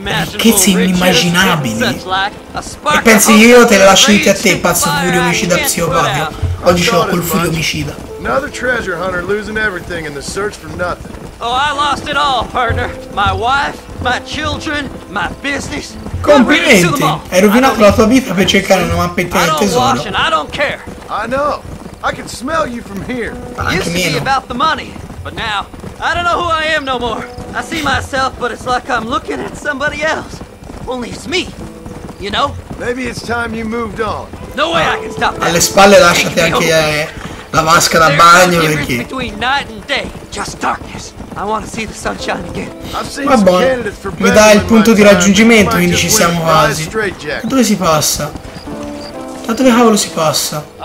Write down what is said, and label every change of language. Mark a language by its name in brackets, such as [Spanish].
[Italian] Ricchezze inimmaginabili. E pensi io te le lascio a te, pazzo furio omicida psicopatico. Oggi ce l'ho col furio omicida. [English] Another treasure hunter losing everything in the search for nothing. Oh, I lost it all, partner. My wife, my children, my business. [Italian] Complimenti. Hai rovinato la tua vita per cercare una mappetta del tesoro. [English] I don't care. I know. I can smell you from here. [Italian] Anche meno. [English] Used to be about the money, but now I don't know who I am no more. I see myself, but it's like I'm looking at somebody else. Only it's me. You know? Maybe it's time you moved on. No way I can stop that. [Italian] Alle spalle lasciate anche la vasca da bagno, perché [English] between night and day, just darkness. I want to see the sunshine again. [Italian] Ma buono, mi dà il punto di raggiungimento, quindi ci siamo quasi. Da dove si passa? Da dove cavolo si passa?